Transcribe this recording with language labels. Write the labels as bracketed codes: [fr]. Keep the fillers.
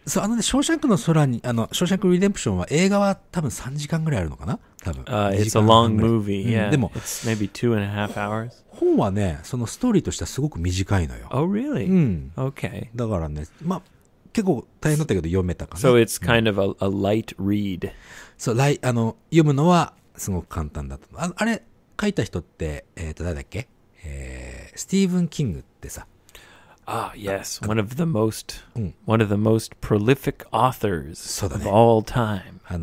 [ja] そう、あのね、ショーシャンクの空に、あの、ショーシャンクリデンプションは映画は多分3時間ぐらいあるのかな多分。 [en] it's a long movie, y e でも、it's maybe two and a half hours. [ja] 本はね、そのストーリーとしてはすごく短いのよ。 [en] Oh, really? Okay. [ja] だからね、まあ、結構大変だったけど読めたかな。そう、ライ、あの、読むのはすごく簡単だった。ああれ、書いた人って、えっ、ー、と、誰だっけ、えー、スティーブン・キングってさ。 [en] Ah, yes, one of the most, one of the most prolific authors of all time.